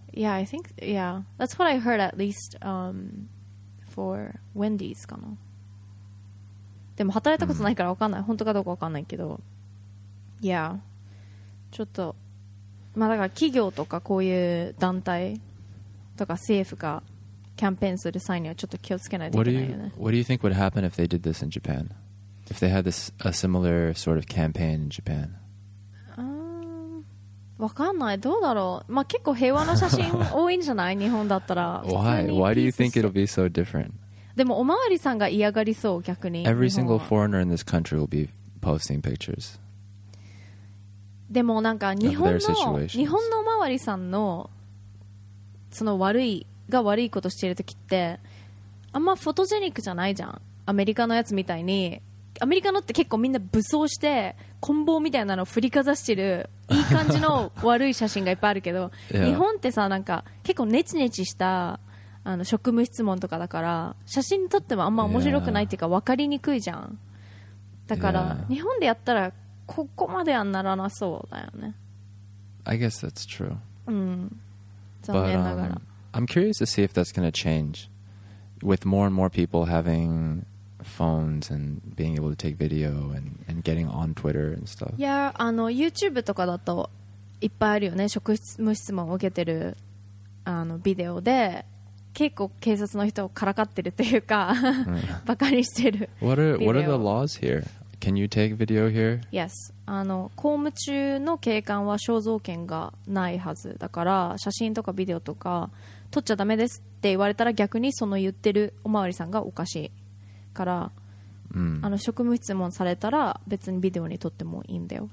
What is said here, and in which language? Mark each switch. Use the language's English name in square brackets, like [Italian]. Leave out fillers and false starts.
[English] Yeah, I think. Yeah, that's what I heard at least. For Wendy's [Japanese] かな。でも働いたことないからわかんない。本当かどうかわかんないけど。 [English] Yeah. [Japanese] ちょっとまあだから企業とかこういう団体とか政府がキャンペーンする際にはちょっと気をつけないといけないよね。 [English] What do you think would happen if they did this in Japan? If they had this, a similar sort of campaign in Japan? [Japanese] わかんない。どうだろう。まあ結構平和な写真多いんじゃない？日本だったら。 [English] Why? Why do you think it'll be so different? [Japanese] でもおまわりさんが嫌がりそう、逆に。 [English] Every single foreigner in this country will be posting pictures. [Japanese] でもなんか日本のおまわりさんのその悪いが悪いことしてるときってあんまフォトジェニックじゃないじゃん。アメリカのやつみたいに、アメリカのって結構みんな武装してこん棒みたいなの振りかざしてるいい感じの悪い写真がいっぱいあるけど、 [English] yeah. [Japanese] 日本ってさ、なんか結構ネチネチしたあの職務質問とかだから写真撮ってもあんま面白くないっていうか、yeah. 分かりにくいじゃん。だから、 [English] yeah. [Japanese] 日本でやったらここまではならなそうだよね。 [English] I guess that's true. [Japanese] 残念ながら、 [English] I'm curious to see if that's going to change with more and more people having phones and being able to take video and getting on Twitter and stuff. Yeah, [Japanese] あの YouTube とかだといっぱいあるよね。職務質問を受けてるあのビデオで結構警察の人をからかってるというか、バカにしてる。 [English] What are the laws here? Can you take video here? Yes. [Japanese] あの公務中の警官は肖像権がないはずだから、写真とかビデオとか撮っちゃダメですって言われたら、逆にその言ってるおまわりさんがおかしいから、あの職務質問されたら別にビデオに撮ってもいいんだよ。